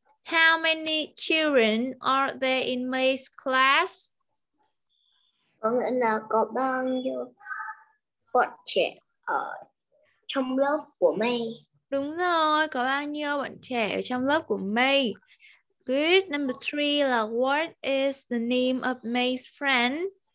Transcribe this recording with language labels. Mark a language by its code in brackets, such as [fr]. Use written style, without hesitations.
[en] How many children are there in May's class? [vi] Có nghĩa là có bao nhiêu bọn trẻ ở trong lớp của mây. Đúng rồi, có bao nhiêu bạn trẻ ở trong lớp của May? [en] Good. Number 3 là What is the name of May's friend?